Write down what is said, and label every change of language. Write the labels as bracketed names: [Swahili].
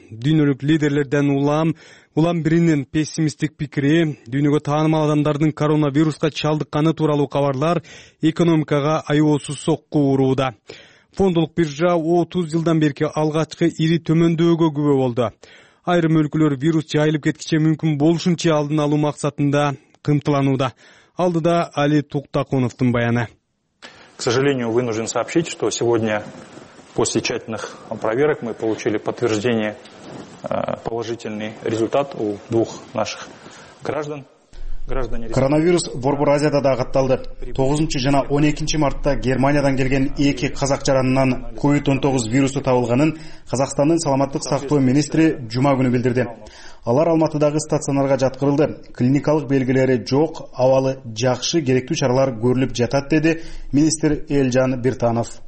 [Kyrgyz] Дүйнөлүк лидерлерден улам биринин пессимисттик пикири, дүйнөгө таанымал адамдардын коронавируска чалдыкканы тууралуу кабарлар экономикага аеосуз сокку урууда. Фондолук биржа 30 жылдан берки алгачкы ири төмөндөөгө күбө болду. Айрым өлкөлөр вирус жайылып кеткиче мүмкүн болушунча алдын алуу максатында кымтыланууда. Алдыда Али Туктакуновдун баяны. [Russian] К сожалению, вынужден сообщить, что сегодня после тщательных проверок мы получили подтверждение положительный результат у двух наших граждан. [Kyrgyz] Коронавирус Борбор Азияда да катталды. 9 жана 12 мартта Германиядан келген 2 казак жаранынан COVID-19 вирусу табылганын Казакстандын саламаттык сактоо министри жума күнү билдирди. Алар Алматыдагы стационарга жаткырылды. Клиникалык белгилери жок, абалы жакшы, керектүү чаралар көрүлүп жатат, деди министр Элжан Биртанов.